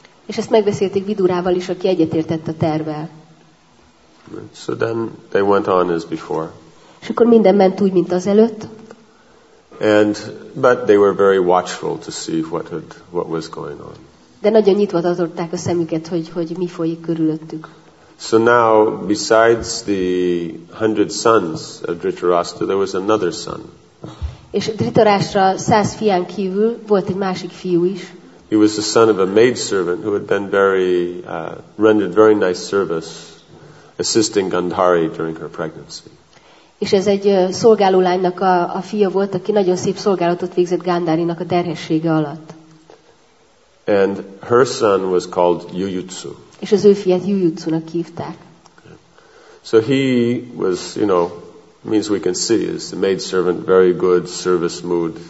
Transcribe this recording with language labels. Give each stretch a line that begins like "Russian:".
Hungarian: És ezt megbeszélték Vidurával is, aki egyetértett a tervvel.
English: So then they went on as before.
Hungarian: És akkor minden ment úgy, mint az előtt.
English: And but they were very watchful to see what was going on.
Hungarian: De nagyon nyitva tartották a szemüket, hogy mi folyik körülöttük.
English: So now, besides the 100 sons of Dhritarashtra, there was another son.
Hungarian: És Dhritarashtra 100 fián kívül volt egy másik fiú is.
English: He was the son of a maid servant who had been rendered very nice service, assisting Gandhari during her pregnancy.
Hungarian: És ez egy szolgálólánynak a fia volt, aki nagyon szép szolgálatot végzett Gandharinak a terhessége alatt.
English: And her son was called Yuyutsu.
Hungarian: És az ő fiát Yuyutsunak hívták.
English: So he was, you know, means we can see, is the maid servant, very good service mood.